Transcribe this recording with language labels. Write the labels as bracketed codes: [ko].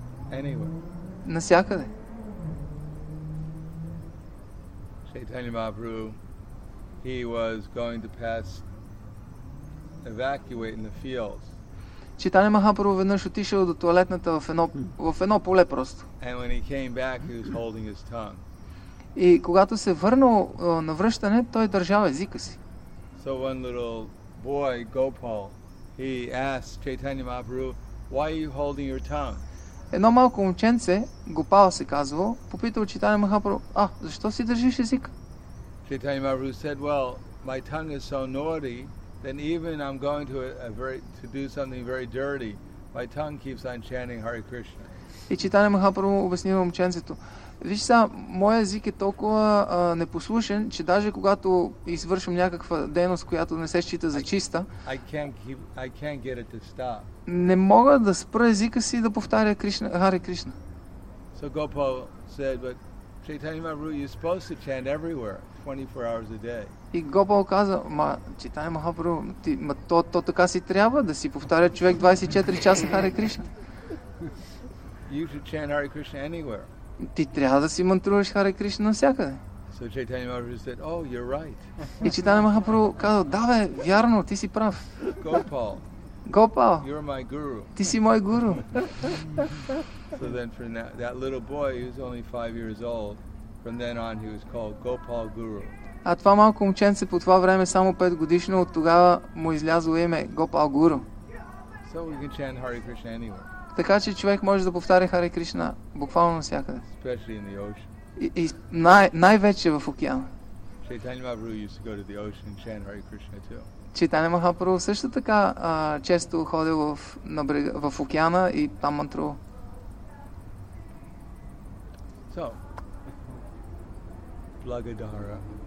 [en] Anywhere. [bg] Насякъде. [en] Chaitanya Mahaprabhu, he was going to pass evacuate in the fields. [bg] Чайтанья Махапрабху веднъж отишъл до тоалетната в едно поле просто. [en] And when he came back, he was holding his tongue. [bg] И когато се върнал на връщане, той държал езика си. [en] So one little boy, Gopal, he asked Chaitanya Mahaprabhu, why are you holding your tongue? [bg] Едно малко момченце, Гопала се казвало, попитал Чайтанья Махапрабху, защо си държиш език? [en] Chaitanya Mahaprabhu said, well, my tongue is so naughty, then even I'm going to to do something very dirty, my tongue keeps on chanting Hare Krishna. [bg] И Чайтанья Махапрабху обяснил момченцето, виж сега, моя език е толкова непослушен, че даже когато извършвам някаква дейност, която не се счита за чиста, [en] I can't get it to stop. [bg] Не мога да спра езика си да повтаря Кришна, Харе Кришна. [en] So Gopal said, but Chaitanya Mahaprabhu, you're supposed to chant everywhere, 24 hours a day. [bg] И Гопал каза, Чайтанья Махапрабху, то така си трябва да си повтаря човек 24 часа Харе Кришна. [en] You should chant Hare Krishna anywhere. [bg] Ти трябва да си мантруваш Харе Кришна навсякъде. [en] So Chaitanya Mahaprabhu said, oh, you're right. [bg] И Чайтанья Махапрабху каза, да бе, вярно, ти си прав. [en] Gopal, you're my guru. [bg] Ти си мой гуру. [en] So then from that little boy, he was only 5 years old, from then on he was called Gopal Guru. [bg] А това малко момченце по това време, само 5 годишно, от тогава му излязло име Гопал Гуру. [en] So we can chant Hare Krishna anywhere. [bg] Така че човек може да повтаря Харе Кришна буквално навсякъде. [en] Especially in the ocean. [bg] И най-вече в океана. [en] Chaitanya Mahaprabhu used to go to the ocean and chant Hare Krishna too. [bg] Чайтанья Махапрабху също така често ходил в океана и там мантрувал. [en] So, [bg] Благодара.